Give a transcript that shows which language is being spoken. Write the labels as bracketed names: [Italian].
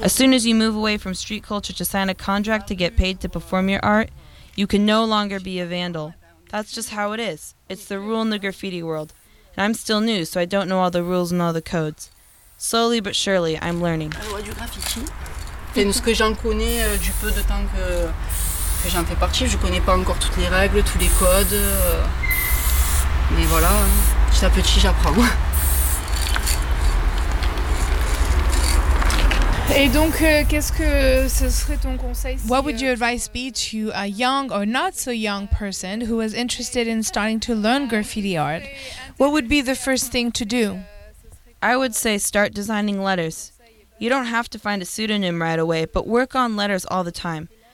[English] As soon as you move away from street culture to sign a contract to get paid to perform your art, you can no longer be a vandal. That's just how it is. It's the rule in the graffiti world. And I'm still new, so I don't know all the rules and all the codes. Slowly but surely, I'm learning. [French] Et ce que j'en connais du peu de temps que j'en fais partie, je connais pas encore toutes les règles, tous les codes. Mais voilà, petit à petit, j'apprends. Et donc, qu'est-ce que ce serait ton conseil si, [English] What would your advice be to a young or not so young person who is interested in starting to learn graffiti art? What would be the first thing to do? I would say start designing letters. You don't have to find a pseudonym right away, but work on letters all the time.